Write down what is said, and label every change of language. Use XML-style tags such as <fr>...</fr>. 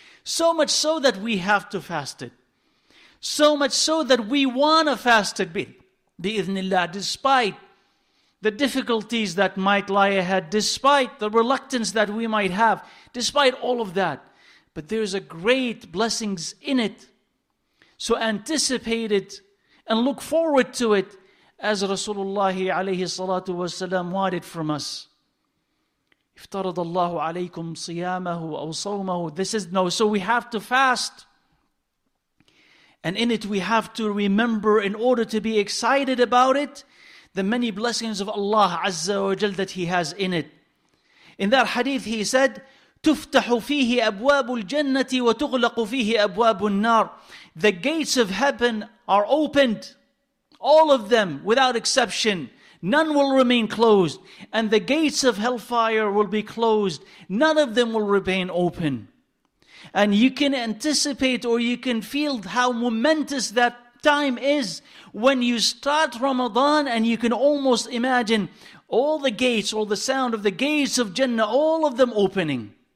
<en>So much so that we have to fast it. So much so that we want to fast it, bi-ithnillah, despite the difficulties that might lie ahead, despite the reluctance that we might have, despite all of that. But there's a great blessings in it. So anticipate it and look forward to it as Rasulullah alayhi salatu wasalam wanted from us.</en> <ar>افترض الله عليكم صيامه أو صومه.</ar> <en>This is no. So we have to fast. And in it we have to remember, in order to be excited about it, the many blessings of Allah Azza wa Jal that He has in it. In that hadith He said,</en> <ar>تفتح فيه أبواب الجنة وتغلق فيه أبواب النار.</ar> <en>The gates of heaven are opened, all of them without exception. None will remain closed. And the gates of hellfire will be closed. None of them will remain open. And you can anticipate or you can feel how momentous that time is when you start Ramadan, and you can almost imagine all the gates or the sound of the gates of Jannah, all of them opening.</en>